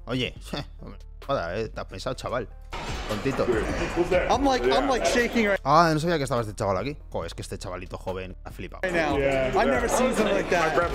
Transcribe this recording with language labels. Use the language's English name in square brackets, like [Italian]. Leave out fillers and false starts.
[Spanish] Oye, joder, te has pensado, chaval. Tontito. [English] I'm like shaking right now. [Spanish] Ah, no sabía que estaba este chaval aquí. Joder, es que este chavalito joven ha flipado. [English] I've never seen something like that.